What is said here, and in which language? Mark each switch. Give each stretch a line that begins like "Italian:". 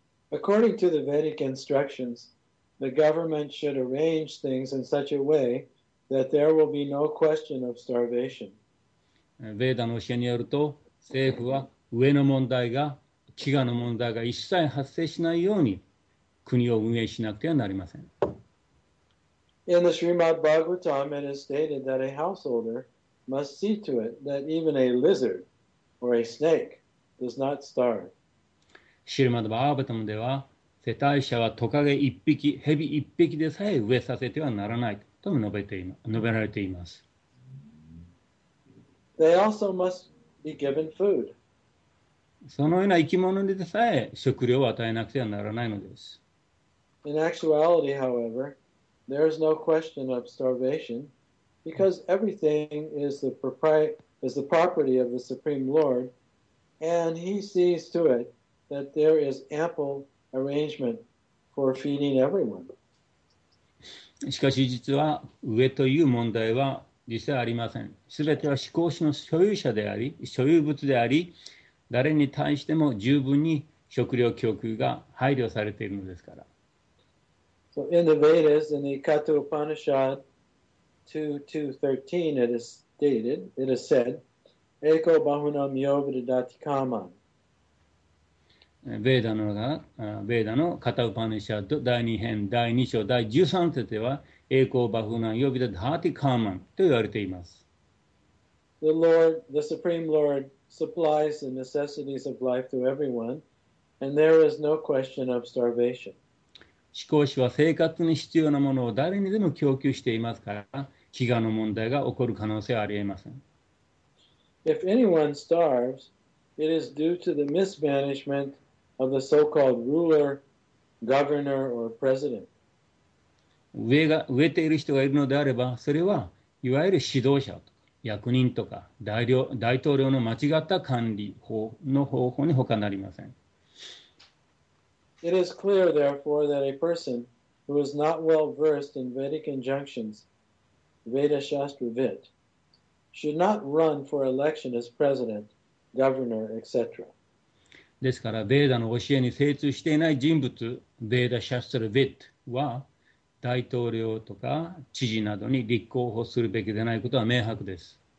English: According to the Vedic instructions, the government should arrange things in such a way that there will be no question of starvation.
Japanese: ヴェーダの教えによると、政府は上の問題が飢餓の問題が一切発生しないように国を運営しなくてはなりません。
English: In the Srimad Bhagavatam, it is stated that a householder must see to it that even a lizard or a snake does not starve.
Japanese: シルマドバーバタムでは、世帯者はトカゲ一匹、ヘビ一匹でさえ飢えさせてはならないと述べられています。
English: They also must be given food.
Japanese: そのような生き物にでさえ食料を与えなくてはならないのです。
English: In actuality, however, there is no question of starvation because everything is the property of the Supreme Lord and he sees to it that there is ample arrangement for feeding everyone.
Japanese: しかし実は飢えという問題は実際ありません。すべては思考主の所有者であり、所有物であり、誰に対しても十分に食料供給が配慮されているのですから。
English: So in the Vedas, in the Katha Upanishad 2.2.13, it is said, Eko Bahunam Yovidati Kaman.
Japanese: Vedano Katha Upanishad 第2編第2章第13節では、Eko Bahunam Yovidati Kaman と言われています。
English: The Supreme Lord. Supplies the necessities of life to everyone, and there is no question of starvation.
Japanese: 思考主は生活に必要なものを誰にでも供給していますから、飢餓の問題が起こる可能性はありえません。
English: If anyone starves, it is due to the mismanagement of the so-called ruler, governor, or president.
Japanese: 飢えている人がいるのであれば、それはいわゆる指導者と。役人とか大統領の間違った管理法の方法に他なりません。
English: It is clear, therefore, that a person who is not well versed in Vedic injunctions, Veda Shastra Vit, should not run for election as president, governor, etc.
Japanese: ですから、ヴェーダの教えに精通していない人物、ヴェーダ・シャストラ・ヴィットは、大統領とか知事などに立候補するべきでないことは明白です。